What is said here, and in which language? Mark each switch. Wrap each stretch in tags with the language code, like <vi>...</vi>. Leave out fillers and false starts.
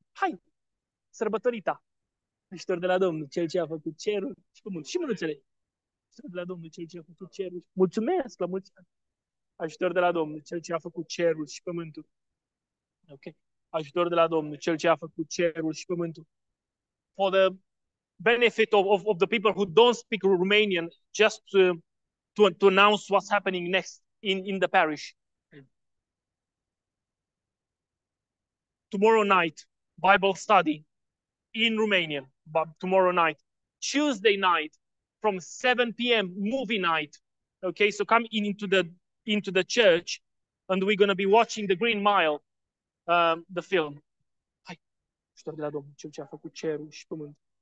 <ro>Hai, sărbătorita. Lucruri de la Domnul, cel ce a făcut cerul și pământ. Și mânuțele. Lucruri de la Domnul, cel ce a făcut cerul și pământ. Mulțumesc, la mulți ani. Ajutor de la Domnul, cel ce a făcut cerul și pământul. Ok. Ajutor de la Domnul, cel ce a făcut cerul și pământul.</ro> <en>For the benefit of the people who don't speak Romanian, just to announce what's happening next in the parish. Tomorrow night, Bible study in Romanian, but tomorrow night. Tuesday night from 7 p.m., movie night. Okay, so come in into the church, and we're going to be watching The Green Mile, the film.</en> <ro>Hai, ajutor de la Domnul, cel ce a făcut cerul și pământ.</ro>